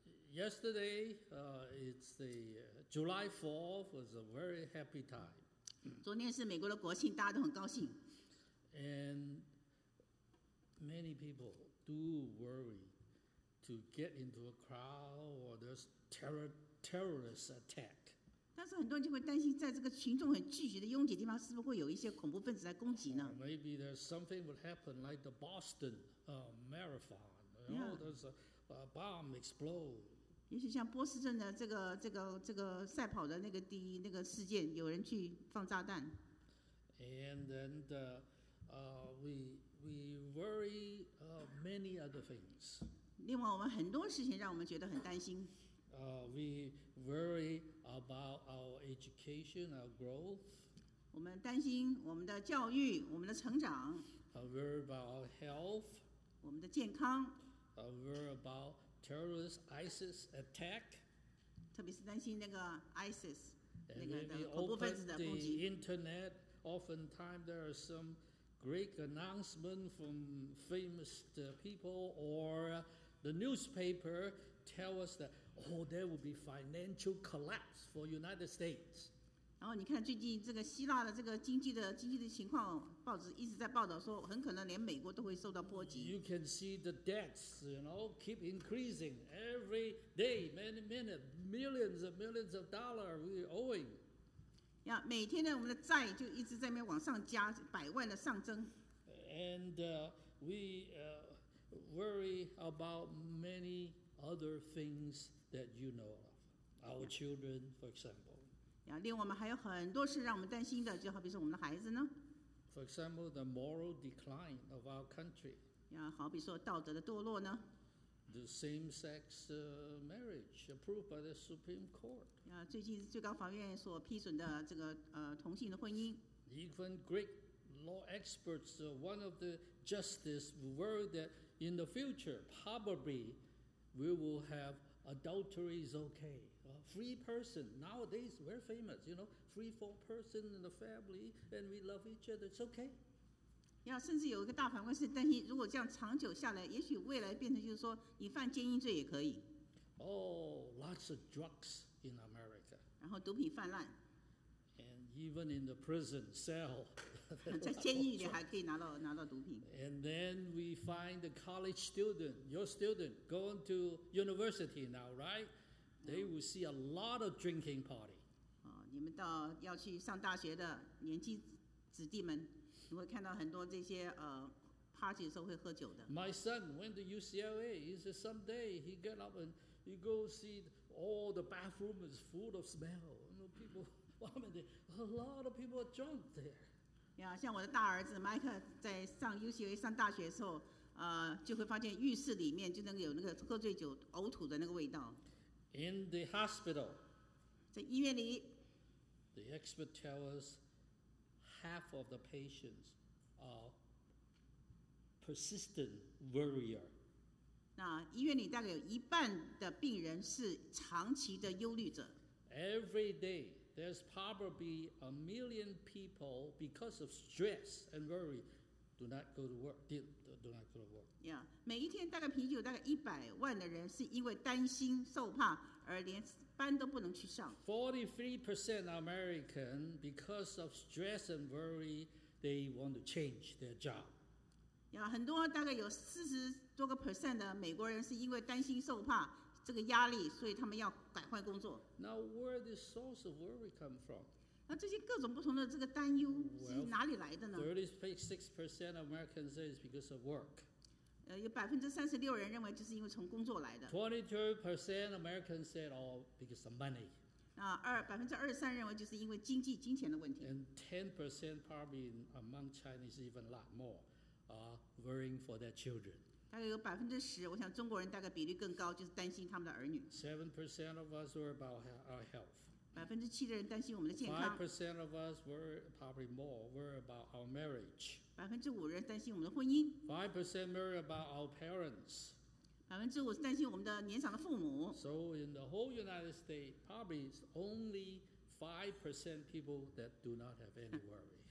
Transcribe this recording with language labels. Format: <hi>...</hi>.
<en>Yesterday, it's the July 4th, was a very happy time.</en> <zh>昨天是美国的国庆，大家都很高兴。</zh> <en>And many people do worry to get into a crowd or there's terrorist attack.</en> <zh>但是很多人就会担心，在这个群众很聚集的拥挤地方，是不是会有一些恐怖分子来攻击呢？</zh> <en>Maybe there's something would happen like the Boston Marathon. There's a bomb explode.</en> <zh>也许像波士顿的这个赛跑的那个事件，有人去放炸弹。</zh> <en>And then we worry many other things.</en> <zh>另外，我们很多事情让我们觉得很担心。</zh> <en>We worry about our education, our growth.</en> <zh>我们担心我们的教育，我们的成长。</zh> <en>Worry about our health.</en> <zh>我们的健康。</zh> <en>Worry about terrorist ISIS attack,</en> <zh>特别是担心那个 ISIS 那个恐怖分子的攻击。</zh> <en>And maybe open the internet, oftentimes there are some great announcement from famous people or the newspaper tell us that, oh, there will be financial collapse for United States.</en> <zh>然后你看最近这个希腊的这个经济的情况，报纸一直在报道说，很可能连美国都会受到波及。</zh> <en>You can see the deaths, you know, keep increasing every day, many minutes, millions and millions of dollars we owing.</en> <zh>呀，每天呢，我们的债就一直在那边往上加，百万的上增。</zh> <en>And we worry about many other things that you know of, our children, for example.</en> <zh>另我们还有很多事让我们担心的，就好比说我们的孩子呢。</zh> <en>For example, the moral decline of our country.</en> <zh>好比说道德的堕落呢。</zh> <en>The same-sex marriage approved by the Supreme Court.</en> <zh>最近最高法院所批准的这个同性的婚姻。</zh> <en>Even Greek law experts, one of the justices worried that in the future, probably we will have adultery is okay. Free person. Nowadays, we're famous, you know. Free for person in the family, and we love each other. It's okay.</en> <zh>甚至有一个大法官是担心，如果这样长久下来，也许未来变成就是说，你犯奸淫罪也可以。</zh> <en>Oh, lots of drugs in America.</en> <zh>然后毒品泛滥。</zh> <en>And even in the prison cell.</en> <zh>在监狱里还可以拿到毒品。</zh> <en>And then we find the college student, your student, going to university now, right? They will see a lot of drinking party.</en> <zh>你们到要去上大学的年轻子弟们，你会看到很多这些party 的时候会喝酒的。</zh> <en>My son went to UCLA. He said someday he get up and he go see all the bathroom is full of smell. You know, people, a lot of people are drunk there.</en> <zh>像我的大儿子 Mike 在上 UCLA 上大学的时候，就会发现浴室里面就能有那个喝醉酒呕吐的那个味道。</zh> <en>In the hospital,</en> <zh>在医院里,</zh> <en>the expert tells us half of the patients are persistent worrier.</en> <zh>那医院里大概有一半的病人是长期的忧虑者。</zh> <en>Every day, there's probably a million people because of stress and worry. Do not go to work. Yeah,</en> <zh>每一天大概平均大概一百万的人是因为担心受怕而连班都不能去上。</zh> <en>43% American because of stress and worry, they want to change their job. Yeah,</en> <zh>很多大概有40多%的美国人是因为担心受怕这个压力，所以他们要改换工作。</zh> <en>Now, where this source of worry come from?</en> <zh>那这些各种不同的这个担忧是哪里来的呢</zh> <en>？36% of Americans say it's because of work.</en> <zh>有36%人认为就是因为从工作来的。</zh> <en>22% of Americans said all because of money.</en> <zh>23%认为就是因为经济金钱的问题。</zh> <en>And 10% probably among Chinese even a lot more are worrying for their children.</en> <zh>大概有10%，我想中国人大概比率更高，就是担心他们的儿女。</zh> <en>7% of us worry about our health.</en> <zh>7%的人担心我们的健康。</zh> <en>5% of us worry probably more worry about our marriage.</en> <zh>5% 的人担心我们的婚姻。</zh> <en>5% worry about our parents.</en> <zh>5% 担心我们的年长的父母。</zh> <en>So in the whole United States, probably it's only 5% people that do not have any worry.</en>